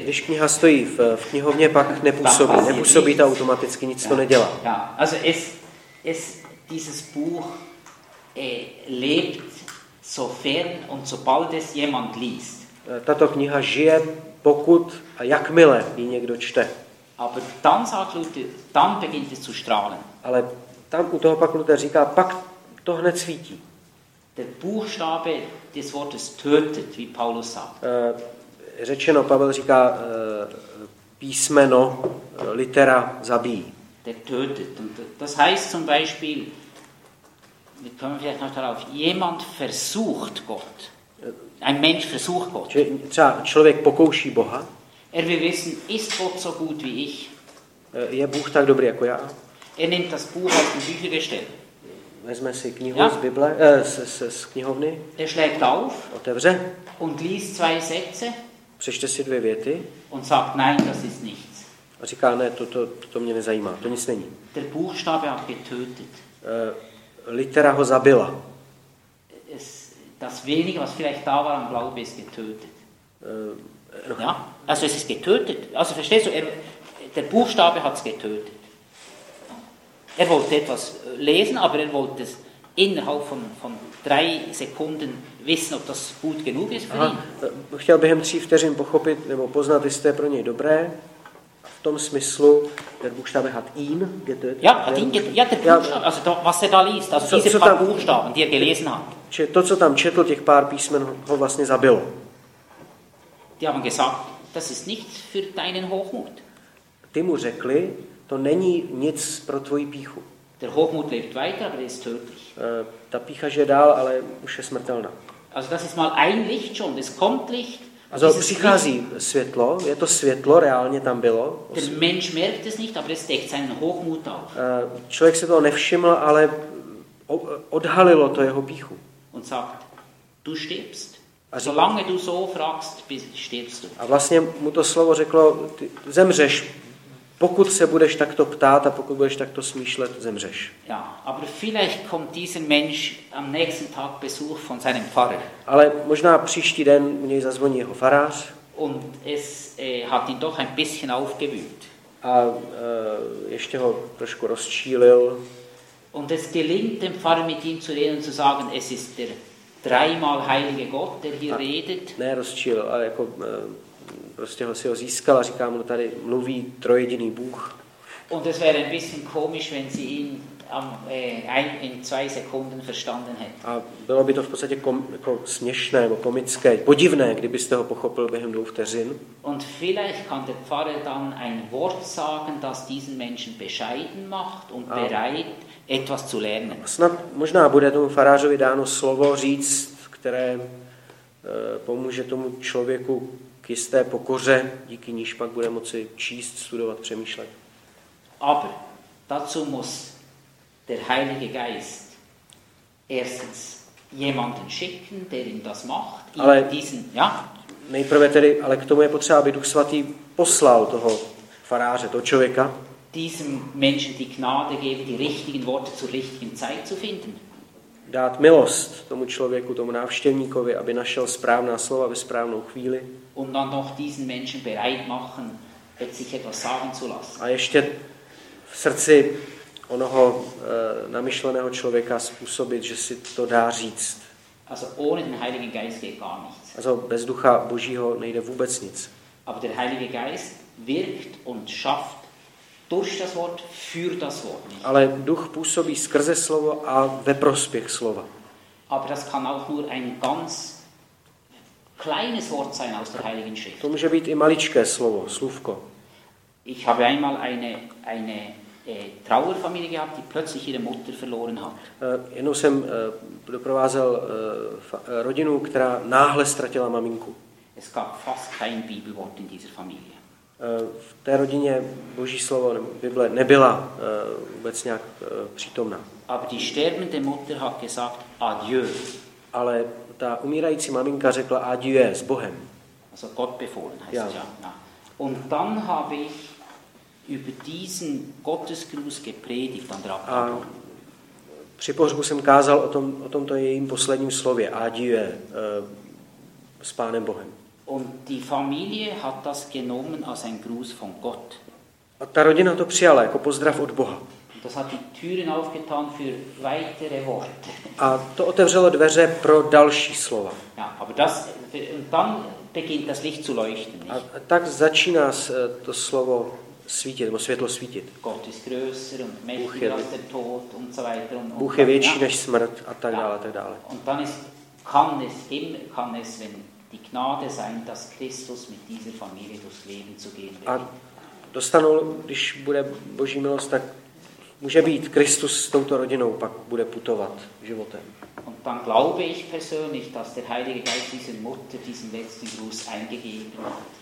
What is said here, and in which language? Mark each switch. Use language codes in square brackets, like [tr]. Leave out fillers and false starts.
[cs] Když kniha stojí v knihovně, pak nepůsobí to automaticky, nic to nedělá. [de] Ja, also es dieses Buch lebt sofern und sobald es jemand liest. [cs] Tato kniha žije, pokud a jakmile ji někdo čte. [de] Aber dann sagt Luther, dann beginnt es zu strahlen. [cs] Ale tam u toho pak Luther říká, pak to hned svítí. [de] Der Buchstabe des Wortes tötet, wie Paulus sagt. [cs] Řečeno, Pavel říká, písmeno, litera zabíjí. [de] Der tötet. Und das heißt zum Beispiel, wir kommen vielleicht noch darauf, jemand versucht Gott. Ein Mensch versucht Gott. [cs] Třeba člověk pokouší Boha. [de] Er will wissen, ist Gott so gut wie ich? [cs] Je Bůh tak dobrý jako já? [de] Er nimmt das Buch aus dem Büchergestell. [cs] Vezme si knihu z Bible, z knihovny. [de] Er schlägt auf. [cs] Otevře. [de] Und liest zwei Sätze. [cs] Přečte si dvě věty. [de] Und sagt, nein, das ist nichts. [cs] A říká, ne, to mě nezajímá, to nic není. [de] Der Buchstabe hat getötet. [cs] Litera ho zabila. [de] Das wenige, was vielleicht da war am Glaube, ist getötet. Ja, also es ist getötet. Also verstehst du, der Buchstabe hat es getötet. Er wollte etwas lesen, aber er wollte es innerhalb von 3 Sekunden wissen, ob das gut genug ist für ihn. [cs] Chtěl během 3 vteřin pochopit nebo poznat, jestli to je pro něj dobré. V tom smyslu, [de] der Buchstabe hat ihn getötet. Ja, hat ihn getötet. Ja, der Buchstabe, also to, was er da liest, also diese paar Buchstaben, die er gelesen hat. [cs] Čiže to, co tam četl, těch pár písmen, ho vlastně zabilo. [de] Die haben gesagt, das ist nichts für deinen Hochmut. [cs] Ty mu řekli, to není nic pro tvoji píchu. [de] Der Hochmut lebt weiter, aber ist tödlich. [cs] Ta pícha žije dál, ale už je smrtelná. [de] Also das ist mal ein Licht schon, es kommt Licht. [cs] Also přichází světlo, je to světlo, reálně tam bylo. [de] Der Mensch merkt es nicht, aber es deckt seinen Hochmut auf. [cs] Člověk se toho nevšiml, ale odhalilo to jeho píchu. [de] Und sagt, du stirbst. Solange du so fragst, stirbst du. [cs] A vlastně mu to slovo řeklo, ty zemřeš, pokud se budeš takto ptát a pokud budeš takto smýšlet, zemřeš. [de] Ja, aber vielleicht kommt dieser Mensch am nächsten Tag Besuch von seinem Pfarrer. [cs] Ale možná příští den u něj zazvoní jeho farář. [de] Und es hat ihn doch ein bisschen aufgewühlt. [cs] A ještě ho trošku rozčílil. [de] Und es gelingt dem Pfarrer mit ihm zu reden und zu sagen, es ist der dreimal heilige Gott, der hier redet. [cs] Ne, rozčílil, ale jako prostě ho si ho získal a říká mu, tady mluví trojediný Bůh. [de] Und es wäre ein bisschen komisch, wenn sie ihn in 2 Sekunden verstanden hätte. [cs] A bylo by to v podstatě jako směšné nebo komické, podivné, kdybyste ho pochopil během 2 vteřin. [de] Und vielleicht kann der Pfarrer dann ein Wort sagen, das diesen Menschen bescheiden macht und bereit etwas zu lernen. [cs] Snad možná bude tomu farářovi dáno slovo říct, které pomůže tomu člověku k jisté pokoře, díky níž pak bude moci číst, studovat, přemýšlet. [de] Aber dazu muss der Heilige Geist erstens jemanden schicken, der ihm das macht. Ale diesen, ja? [cs] Nejprve tedy, ale k tomu je potřeba, aby Duch Svatý poslal toho faráře, toho člověka. [de] Diesem Menschen die Gnade geben, die richtigen Worte zur richtigen Zeit zu finden. [cs] Dát milost tomu člověku, tomu návštěvníkovi, aby našel správná slova ve správnou chvíli. [de] Und dann noch diesen Menschen bereit machen, sich etwas sagen zu lassen. [cs] A ještě v srdci onoho namyšleného člověka způsobit, že si to dá říct. [de] Also ohne den Heiligen Geist geht gar nichts. [cs] Also bez Ducha Božího nejde vůbec nic. [de] Aber der Heilige Geist wirkt und schafft durch das Wort für das Wort. [cs] Ale Duch působí skrze slovo a ve prospěch slova. [de] Aber das kann auch nur ein ganz kleines Wort sein aus der Heiligen Schrift. [cs] To může být i maličké slovo, slůvko. [de] Ich habe einmal eine Trauerfamilie gehabt, die plötzlich ihre Mutter verloren hat. [cs] Jednou jsem doprovázel rodinu, která náhle ztratila maminku. [de] Es gab fast kein Bibelwort in dieser Familie. [cs] V té rodině Boží slovo Bible nebyla vůbec nějak přítomná. [de] Aber die sterbende Mutter hat gesagt adieu. [cs] Ale ta umírající maminka řekla adieu s Bohem. [de] Also Gott befohlen heißt ja. Es ja. Und dann habe ich über diesen Gottesgruß gepredigt an der Abendmahl. [cs] A při pohřbu jsem kázal o tomto jejím posledním slově adieu s Pánem Bohem. [de] Und die Familie hat das genommen als ein Gruß von Gott. [cs] A ta rodina to přijala jako pozdrav od Boha. [de] Das hat die Türen aufgetan für weitere Worte. [cs] A to otevřelo dveře pro další slova. [de] Ja, aber das und dann beginnt das Licht zu leuchten. [cs] A tak začíná to slovo svítit, nebo světlo svítit. [de] Gott ist größer und mächtiger als der Tod und so weiter und [cs] Bůh je větší než smrt a tak dále, ja. Tak dále. [de] Und dann ist kann es wenn die Gnade sein, dass Christus mit dieser Familie durchs Leben zu gehen wird. [cs] A dostanou, když bude Boží milost, tak může být Kristus s touto rodinou, pak bude putovat životem. [de] Und dann glaube ich persönlich, dass der Heilige Geist diese Mutter diesen letzten Gruß eingegeben hat.